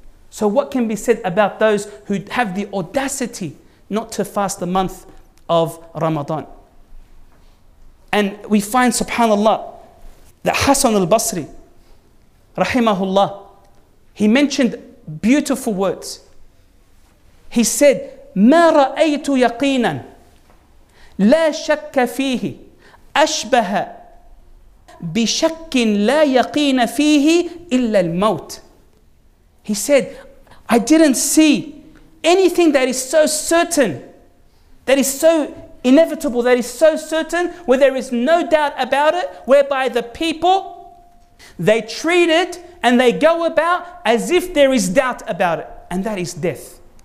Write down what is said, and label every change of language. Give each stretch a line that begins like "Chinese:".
English: So what can be said about those who have the audacity not to fast the month of Ramadan? And we find, subhanAllah, that Hassan al-Basri, rahimahullah, he mentioned beautiful words. He said,
Arabic: مَا رَأَيْتُ يَقِينًا لَا شَكَّ فِيهِ أَشْبَهَ بِشَكٍ لَا يَقِينَ فِيهِ إِلَّا الْمَوْتِ.
English: He said, I didn't see anything that is so certain, that is so inevitable, that is so certain, where there is no doubt about it, whereby the people, they treat it and they go about as if there is doubt about it, and that is death.